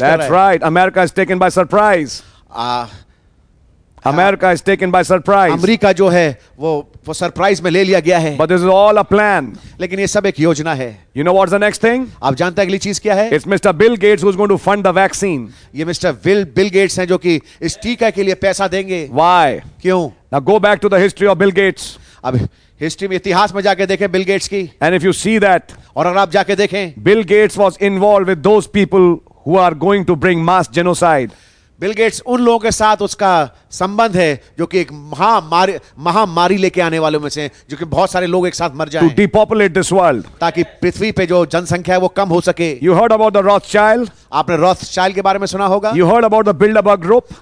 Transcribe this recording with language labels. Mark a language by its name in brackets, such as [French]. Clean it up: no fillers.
[Hindi] कर रहा है [English] that's right america is taken by surprise America is taken by surprise. [Hindi] America जो है वो surprise में ले लिया गया है. [English] But this is all a plan. [Hindi] लेकिन ये सब एक योजना है. [English] You know what's the next thing? [Hindi] आप जानते हैं अगली चीज क्या है? [English] It's Mr. Bill Gates who's going to fund the vaccine. [Hindi] ये Mr. Bill Gates हैं जो कि इस टीका के लिए पैसा देंगे. [English] Why? [Hindi] क्यों? [English] Now go back to the history of Bill Gates. [Hindi] अब history में इतिहास में जाके देखें Bill Gates की. [English] And if you see that. [Hindi] और अगर आप जाके देखें. [English] Bill Gates was involved with those people who are going to bring mass genocide. [Hindi] Bill Gates उन लोगों के साथ उसका संबंध है जो कि एक महामारी लेके आने वालों में से जो कि बहुत सारे लोग एक साथ मर जाएं [English] to depopulate this world [Hindi] ताकि पृथ्वी पे जो जनसंख्या है वो कम हो सके [English] you heard about the Rothschild [Hindi] आपने रॉथचाइल्ड के बारे में सुना होगा [English] you heard about the Bilderberg group